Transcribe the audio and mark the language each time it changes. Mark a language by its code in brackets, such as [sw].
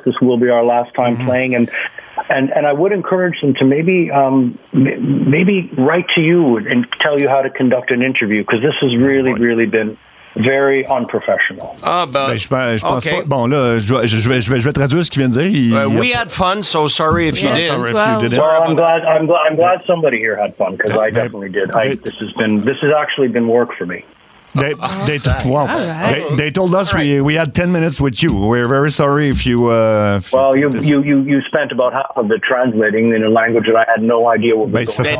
[en] This will be our last time playing, and I would encourage them to maybe write to you and tell you how to conduct an interview, because this has really, really been very unprofessional. [fr] Je vais traduire ce qu'il vient de dire. [en] We had fun, so sorry if you didn't. I'm glad somebody here had fun, because I definitely did. This has actually been work for me. They told us we had 10 minutes with you. We're very sorry if you... You spent about half of the translating in a language that I had no idea what was going on.